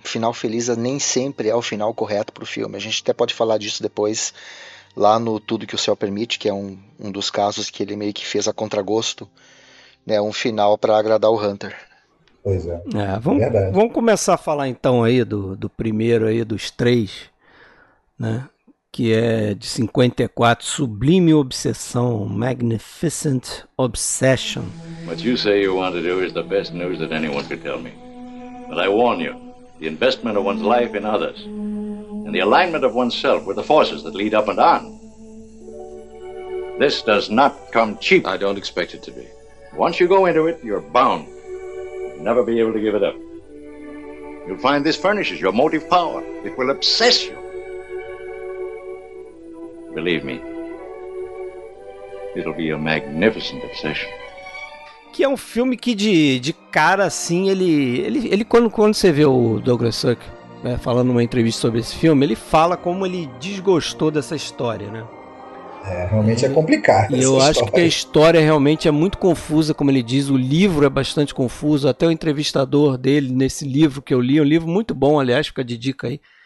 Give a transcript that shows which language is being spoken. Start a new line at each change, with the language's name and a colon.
Portuguese: Final feliz nem sempre é o final correto para o filme. A gente até pode falar disso depois lá no Tudo que o Céu Permite, que é um dos casos que ele meio que fez a contragosto, né? Um final para agradar o Hunter. Pois é. Vamos começar a falar então aí do primeiro aí dos três, né? Que é de 54, Sublime Obsessão, Magnificent Obsession.
English: What you say you want to do is the best news that anyone could tell me. But I warn you, the investment of one's life in others and the alignment of oneself with the forces that lead up and on. This does not come cheap. I don't expect it to be. Once you go into it, you're bound. Never be able to give it up. You'll find this furnishes your motive power. It will obsess you. Believe me, it'll be a magnificent obsession.
Portuguese: Que é um filme que de cara assim, ele quando você vê o Douglas Sirk, né, falando numa entrevista sobre esse filme, ele fala como ele desgostou dessa história, né? Realmente é complicado. E eu acho que a história realmente é muito confusa, como ele diz, o livro é bastante confuso, até o entrevistador dele nesse livro que eu li, um livro muito bom, aliás, fica de dica aí.